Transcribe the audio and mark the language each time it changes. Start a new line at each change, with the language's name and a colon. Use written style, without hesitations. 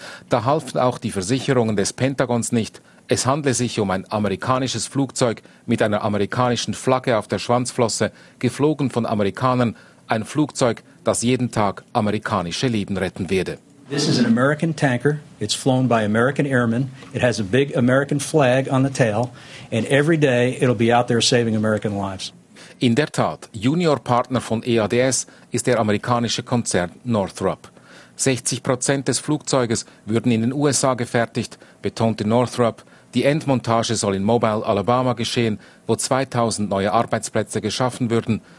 German: Da halfen auch die Versicherungen des Pentagons nicht. Es handle sich um ein amerikanisches Flugzeug mit einer amerikanischen Flagge auf der Schwanzflosse, geflogen von Amerikanern, ein Flugzeug, das jeden Tag amerikanische Leben retten werde.
English: This is an American tanker. It's flown by American airmen. It has a big American flag on the tail. And every day it'll be out there saving American lives.
German: In der Tat, Juniorpartner von EADS ist der amerikanische Konzern Northrop. 60% des Flugzeuges würden in den USA gefertigt, betonte Northrop. Die Endmontage soll in Mobile, Alabama geschehen, wo 2000 neue Arbeitsplätze geschaffen würden.